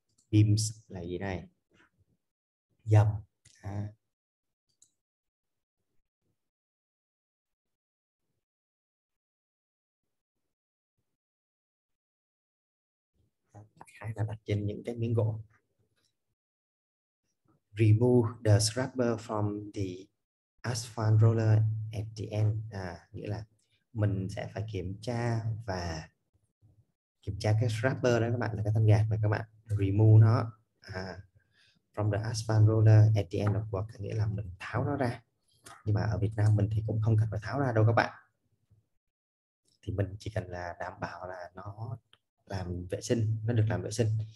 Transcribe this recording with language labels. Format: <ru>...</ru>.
<vi>Beams là gì đây? Dầm. À. Hay là đặt trên những cái miếng gỗ.</vi> <en>Remove the scraper from the asphalt roller at the end.</en> <vi>À, nghĩa là mình sẽ phải kiểm tra cái scraper đó các bạn, là cái thanh gạt mà các bạn remove nó</vi> <en>from the asphalt roller at the end of work,</en> <vi>nghĩa là mình tháo nó ra. Nhưng mà ở Việt Nam mình thì cũng không cần phải tháo ra đâu các bạn. Thì mình chỉ cần là đảm bảo là nó làm vệ sinh, nó được làm vệ sinh.</vi>